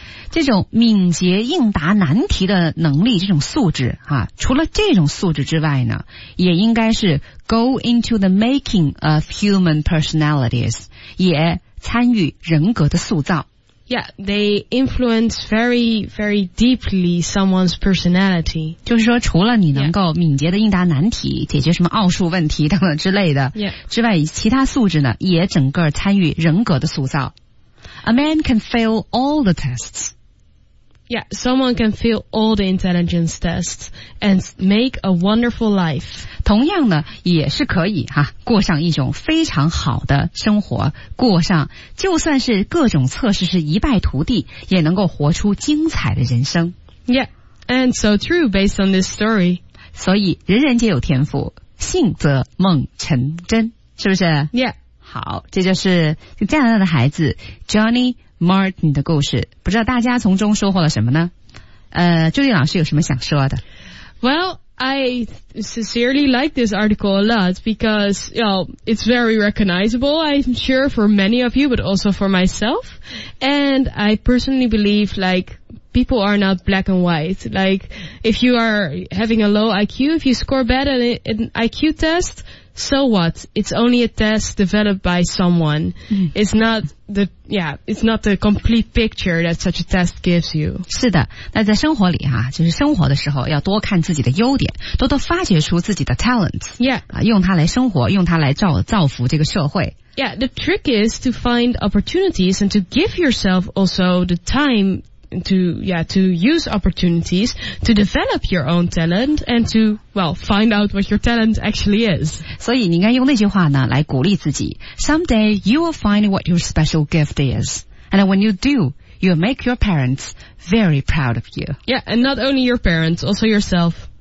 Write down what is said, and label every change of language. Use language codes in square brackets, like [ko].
[zh] 这种敏捷应答难题的能力，这种素质啊，除了这种素质之外呢，也应该是 [en] go into the making of human personalities, [zh] 也参与人格的塑造。 [en] Yeah, they influence very, very deeply someone's personality. [zh] 就是说除了你能够敏捷地应答难题、解决什么奥数问题等等之类的、 [en] yeah. [zh] 之外其他素质呢也整个参与人格的塑造。 [en] A man can fail all the tests. Yeah, someone can fail all the intelligence tests and make a wonderful life. [zh] 同样呢也是可以哈、啊、过上一种非常好的生活过上就算是各种测试是一败涂地也能够活出精彩的人生。 [en] Yeah, and so true based on this story. [zh] 所以人人皆有天赋幸则梦成真是不是 [en] Yeah. [zh] 好这就是加拿大的孩子 Johnny Martin 的故事不知道大家从中收获了什么呢朱莉老师有什么想说的 [en] Well, I sincerely like this article a lot because, you know, it's very recognizable, I'm sure, for many of you, but also for myself. And I personally believe, like, people are not black and white. Like, if you are having a low IQ, if you score bad at an IQ test, so what? It's only a test developed by someone. It's not the, yeah, it's not the complete picture that such a test gives you. [zh] 是的，那在生活里啊，就是生活的时候要多看自己的优点，多多发掘出自己的 talent. [en] Yeah. [zh] 啊，用它来生活，用它来造福这个社会。 [en] Yeah, the trick is to find opportunities and to give yourself also the time to use opportunities to develop your own talent and to, well, find out what your talent actually is. [zh] 所以你应该用那句话呢来鼓励自己。 [en] Someday you will find what your special gift is. And when you do, you'll make your parents very proud of you. Yeah, and not only your parents, also yourself.